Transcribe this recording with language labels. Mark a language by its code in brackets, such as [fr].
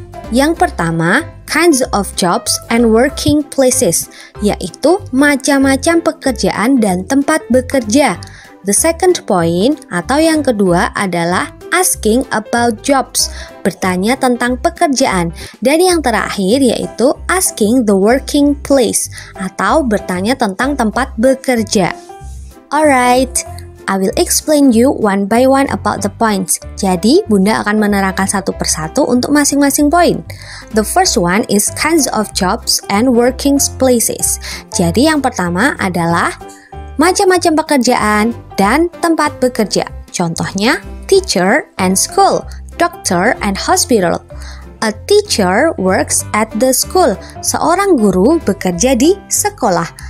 [id] Yang pertama, [en] kinds of jobs and working places, [id] yaitu macam-macam pekerjaan dan tempat bekerja. [en] The second point [id] atau yang kedua adalah [en] asking about jobs, [id] bertanya tentang pekerjaan. Dan yang terakhir yaitu [en] asking the working place [id] atau bertanya tentang tempat bekerja. [en] Alright, I will explain you one by one about the points. [id] Jadi, Bunda akan menerangkan satu persatu untuk masing-masing poin. [en] The first one is kinds of jobs and working places. [id] Jadi, yang pertama adalah macam-macam pekerjaan dan tempat bekerja. Contohnya, [en] teacher and school, doctor and hospital. A teacher works at the school. [id] Seorang guru bekerja di sekolah.